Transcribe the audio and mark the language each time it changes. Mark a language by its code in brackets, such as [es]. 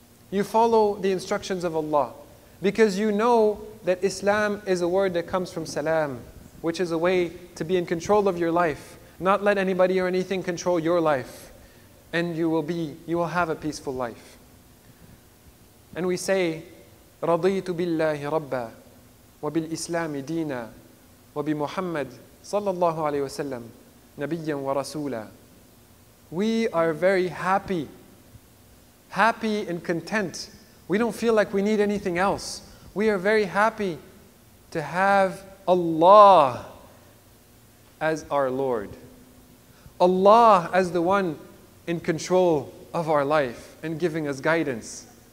[en] You follow the instructions of Allah. Because you know that Islam is a word that comes from salam, which is a way to be in control of your life, not let anybody or anything control your life, and you will have a peaceful life. [ar] And we say, رَضِيْتُ بِاللَّهِ رَبَّا وَبِالْإِسْلَامِ دِينًا وَبِمُحَمَّدٍ صَلَّى اللَّهُ عَلَيْهِ وَسَلَّمْ نَبِيًّا وَرَسُولًا. [en] We are very happy, happy and content. We don't feel like we need anything else. We are very happy to have Allah as our Lord. Allah as the one in control of our life and giving us guidance.